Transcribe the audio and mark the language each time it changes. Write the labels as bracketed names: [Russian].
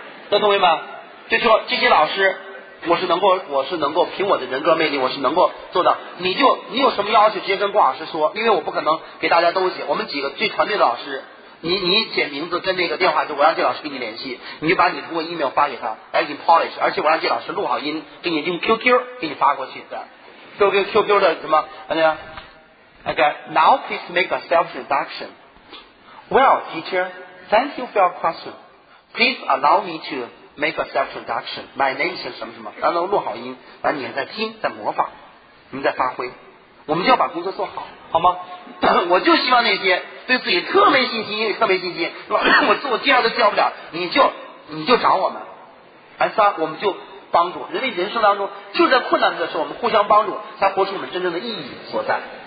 [Chinese] 那同学们就说这些老师我是能够凭我的人格魅力我是能够做到，你有什么要求直接跟郭老师说，因为我不可能给大家都写，我们几个最团队的老师你写名字跟那个电话，就我让这老师跟你联系，你就把你通过 email 发给他 ， [English] I'm in Polish， [Chinese] 而且我让这老师录好音，给你用 QQ 给你发过去的 ，QQ 的什么？那个 [English] ，OK， now please make a self introduction. Well, teacher, thank you for your question. Please allow me to make a self introduction. My name is [Chinese] 什么什么，然后录好音，然后你再听，再模仿，你再发挥，我们就要把工作做好，好吗？我就希望那些。对自己特没信心，英语特没信心，我自我介绍都介绍不了，你就找我们，而三我们就帮助人类人生当中就在困难的时候我们互相帮助，才活出我们真正的意义所在。